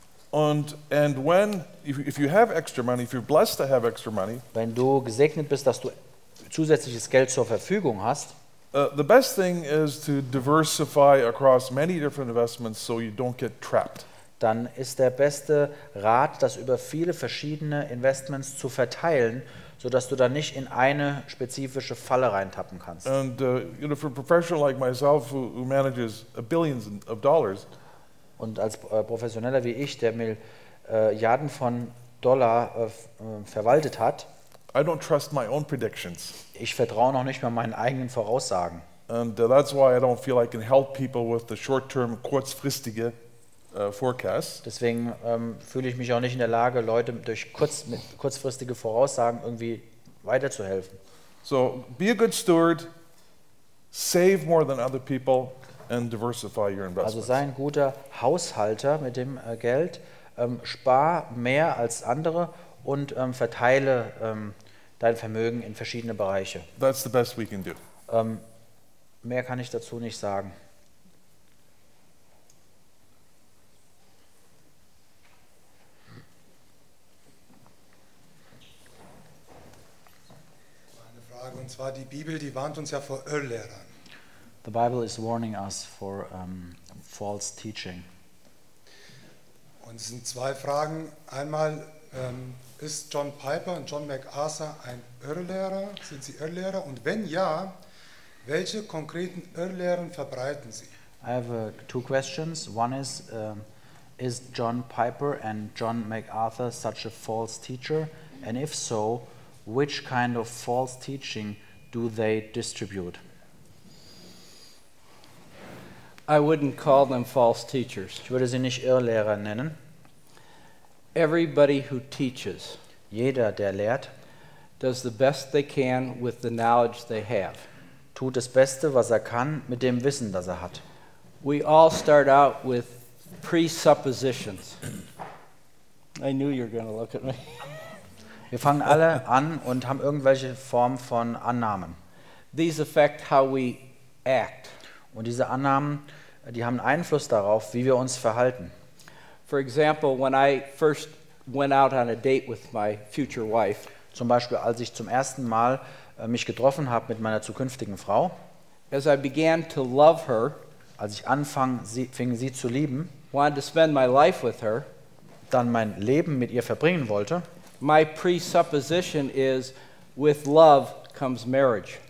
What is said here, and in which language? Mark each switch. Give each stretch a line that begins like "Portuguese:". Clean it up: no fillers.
English: And when if you have extra money, if you're blessed to have extra money,
German: wenn du gesegnet bist, dass du zusätzliches Geld zur Verfügung hast,
English: the best thing is to diversify across many different investments so you don't get trapped.
German: Dann ist der beste Rat, das über viele verschiedene Investments zu verteilen, sodass du dann nicht in eine spezifische Falle reintappen kannst.
English: And you know, for a professional like myself who manages billions of dollars,
German: und als Professioneller wie ich, der Milliarden von Dollar verwaltet hat,
English: I don't trust my own predictions.
German: Ich vertraue noch nicht mehr meinen eigenen Voraussagen.
English: And that's why I don't feel I can help people with the short-term, kurzfristige forecasts.
German: Deswegen fühle ich mich auch nicht in der Lage, Leute durch kurzfristige Voraussagen irgendwie weiterzuhelfen.
English: So, be a good steward, save more than other people, and diversify your investments.
German: Also sei ein guter Haushalter mit dem Geld, spar mehr als andere und verteile dein Vermögen in verschiedene Bereiche.
English: That's the best we can do.
German: Mehr kann ich dazu nicht sagen. Eine Frage, und zwar die Bibel, die warnt uns ja vor Irrlehrern.
English: The Bible is warning us for false teaching.
German: Und es sind zwei Fragen. Einmal, ist John Piper und John MacArthur ein Irrlehrer? Sind sie Irrlehrer? Und wenn ja, welche konkreten Irrlehren verbreiten sie?
English: I have two questions. One is John Piper and John MacArthur such a false teacher? And if so, which kind of false teaching do they distribute? I wouldn't call them false teachers.
German: Ich würde sie nicht Irrlehrer nennen.
English: Everybody who teaches,
German: jeder der lehrt,
English: does the best they can with the knowledge they have.
German: Tut das Beste, was kann, mit dem Wissen, das hat.
English: We all start out with presuppositions. I knew you were going to look at me.
German: Wir fangen alle an und haben irgendwelche Form von Annahmen.
English: These affect how we act.
German: Und diese Annahmen, die haben Einfluss darauf, wie wir uns verhalten.
English: For example, when I first went out on a date with my future wife,
German: zum Beispiel als ich zum ersten Mal mich getroffen habe mit meiner zukünftigen Frau,
English: as I began to love her,
German: als ich fing sie zu lieben,
English: wanted to spend my life with her,
German: dann mein Leben mit ihr verbringen wollte,
English: my presupposition is with love comes marriage.